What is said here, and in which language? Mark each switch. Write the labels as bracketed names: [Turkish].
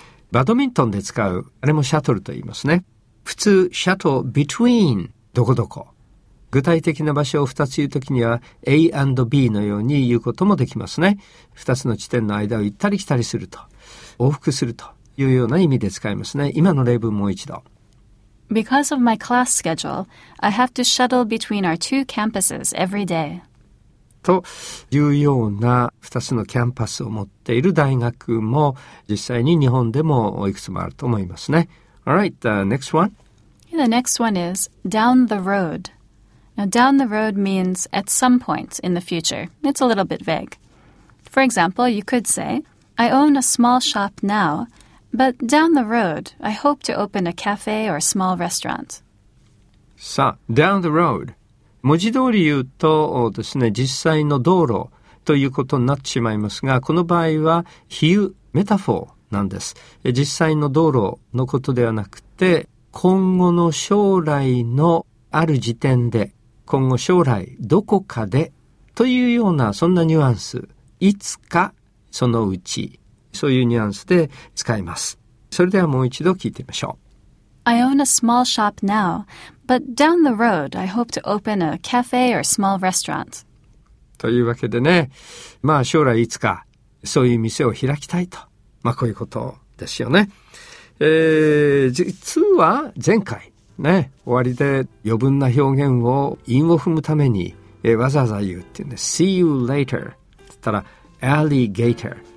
[Japanese] バドミントンで使う、あれもシャトルと言いますね。普通、シャトル、between、どこどこ。具体的な場所を2つ言うときには、A and B のように言うこともできますね。 2つの地点の間を行ったり来たりすると、往復するというような意味で使いますね。今の例文もう一度。 [English] Because of my class schedule, I have to shuttle between our two campuses every day. [Japanese] というような2つのキャンパスを持っている大学も実際に日本でもいくつもあると思いますね。 [English] All right, the next one. The next one is down the road. Now, down the road means at some point in the future. It's a little bit vague. For example, you could say, I own a small shop now, But down the road, I hope to open a cafe or a small restaurant. [Japanese] さあ、down the road. 文字通り言うとですね、実際の道路、ということになってしまいますが、この場合は比喩、メタフォーなんです。実際の道路のことではなくて、今後の将来のある時点で、今後将来どこかでというような、そんなニュアンス、いつかそのうち、そういうニュアンスで使います。それではもう一度聞いてみましょう。 I own a small shop now, but down the road, I hope to open a cafe or small restaurant. というわけでね、まあ将来いつかそういう店を開きたいと、まあこういうことですよね。実は前回ね、終わりで余分な表現を韻を踏むために、わざわざ言うっていうね、 [English] See you later [Japanese] って言ったら、Alligator。